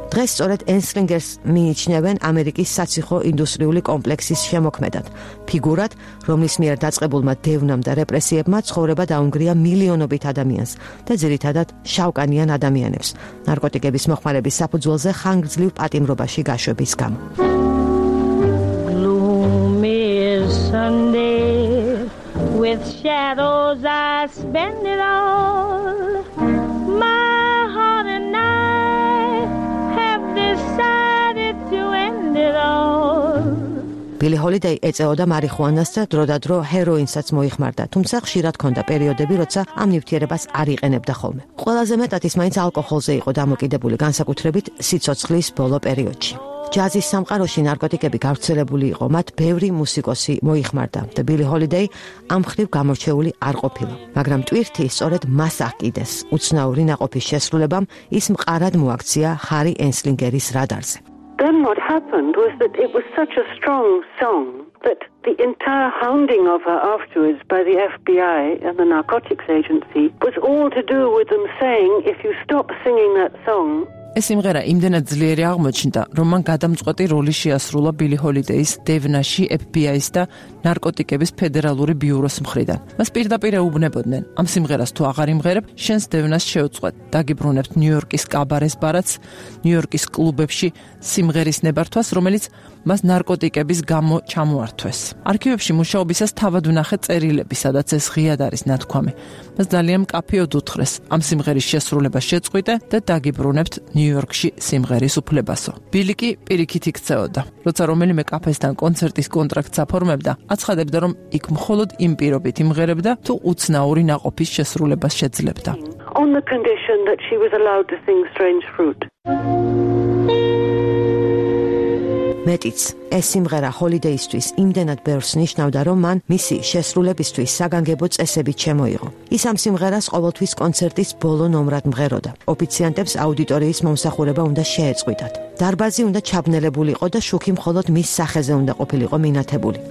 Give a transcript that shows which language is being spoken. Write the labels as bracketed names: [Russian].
[Georgian] დღეს სწორედ ენსლინგერს მიიჩნევენ ამერიკის საციხო ინდუსტრიული კომპლექსის შემოქმედად, ფიგურად, რომლის მიერ დაწყებულმა დევნამ და რეპრესიებმა ცხოვრება დაუნგრია მილიონობით ადამიანს და ძირითადად შავკანიან ადამიანებს. ნარკოტიკების მოხმარების საფუძველზე ხანგრძლივი პატიმრობაში გაშვების გამო. [English] Gloomy Sunday with shadows I spend it all. My heart and I have decided to end it all. [Georgian] ბილი ჰოლიდეი ეწეოდა მარიხუანას და დროდადრო ჰეროინსაც მოიხმარდა, თუმცა ხშირად ჰქონდა პერიოდები, როცა ამ ნივთიერებას არ იყენებდა ხოლმე. ყველაზე მეტად ის მაინც ალკოჰოლზე იყო დამოკიდებული, განსაკუთრებით სიცოცხლის ბოლო პერიოდში. ჯაზის სამყაროში ნარკოტიკები გავრცელებული იყო, მათ ბევრი მუსიკოსი მოიხმარდა და ბილი ჰოლიდეი ამ ხრივ გამორჩეული არ ყოფილა. მაგრამ ტვირთი სწორედ მას აკიდეს. უცნაური ნაყოფის შესრულებამ ის მყარად მოაქცია ჰარი ენსლინგერის რადარზე. [English] Then what happened was that it was such a strong song that the entire hounding of her afterwards by the FBI and the narcotics agency was all to do with them saying, if you stop singing that song, [Georgian] ეს სიმღერა იმდენად ძლიერი აღმოჩნდა, რომ მან გადამწყვეტი როლი შეასრულა ბილი ჰოლიდეის დევნაში FBI-ის და ნარკოტიკების ფედერალური ბიუროს მხრიდან. მას პირდაპირ ეუბნებოდნენ: ამ სიმღერას თუ აღარ იმღერებ, შენს დევნას შეუწყვეტ, დაგიბრუნებთ ნიუ-იორკის კაბარეს ბარათს, ნიუ-იორკის კლუბებში სიმღერის ნებართვას, რომელიც მას ნარკოტიკების გამო ჩამოართვეს. არქივებში მუშაობისას თავად ვნახე წერილები, სადაც ეს ღიად არის ნათქვამი. მას ძალიან მკაფიოდ უთხრეს: ამ სიმღერის შესრულება შეწყვიტე და დაგიბრუნებთ ნიუ-იორკში სიმღერის უფლებასო. ბილი კი პირიქით იქცეოდა. როცა რომელიმე კაფესთან კონცერტის კონტრაქტს აფორმებდა, აცხადებდა, რომ იქ მხოლოდ იმ პირობით იმღერებდა, თუ უცნაური ნაყოფის შესრულებას შეძლებდა. [English] On the condition that she was allowed to sing Strange Fruit. [Georgian] მეტიც, ეს სიმღერა ჰოლიდეისთვის იმდენად ბევრს ნიშნავდა, რომ მან მისი შესრულებისთვის საგანგებო წესები ჩემოიღო. ის ამ სიმღერას ყოველთვის კონცერტის ბოლო ნომრად მღეროდა. ოფიციანტებს აუდიტორიის მომსახურება უნდა შეეწყვიტათ. დარბაზი უნდა ჩაბნელებულიყო და შუქი მხოლოდ მის სახეზე უნდა ყოფილიყო მინათებული.